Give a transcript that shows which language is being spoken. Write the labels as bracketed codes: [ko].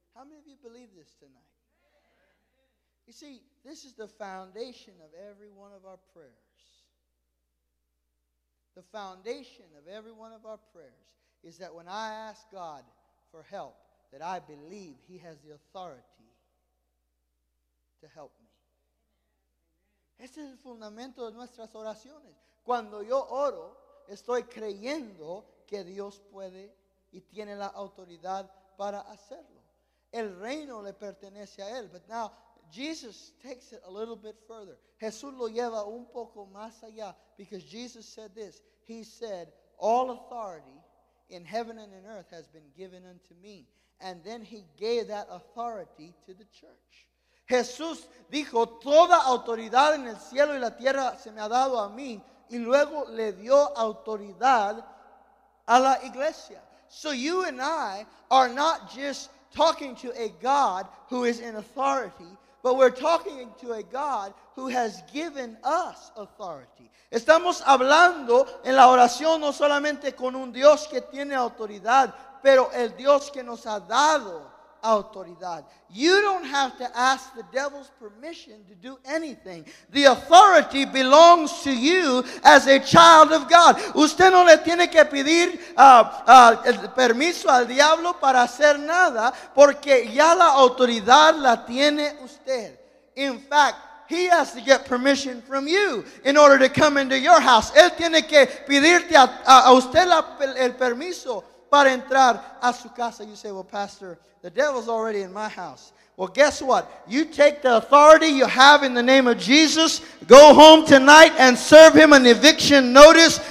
[en] How many of you believe this tonight? You see, this is the foundation of every one of our prayers. The foundation of every one of our prayers is that when I ask God for help, that I believe he has the authority to help me. [es] Ese es el fundamento de nuestras oraciones. Cuando yo oro, estoy creyendo que Dios puede y tiene la autoridad para hacerlo. El reino le pertenece a él. [en] But now, Jesus takes it a little bit further. [es] Jesús lo lleva un poco más allá, [en] because Jesus said this. He said, all authority in heaven and in earth has been given unto me. And then he gave that authority to the church. [es] Jesús dijo, toda autoridad en el cielo y la tierra se me ha dado a mí. Y luego le dio autoridad a la iglesia. [en] So you and I are not just talking to a God who is in authority, but we're talking to a God who has given us authority. [es] Estamos hablando en la oración no solamente con un Dios que tiene autoridad, pero el Dios que nos ha dado autoridad. [en] You don't have to ask the devil's permission to do anything. The authority belongs to you as a child of God. [es] Usted no le tiene que pedir permiso al diablo para hacer nada, porque ya la autoridad la tiene usted. [en] In fact, he has to get permission from you in order to come into your house. [es] Él tiene que pedirte a usted el permiso para entrar a su casa. [en] You say, well, pastor, the devil's already in my house. Well, guess what? You take the authority you have in the name of Jesus. Go home tonight and serve him an eviction notice.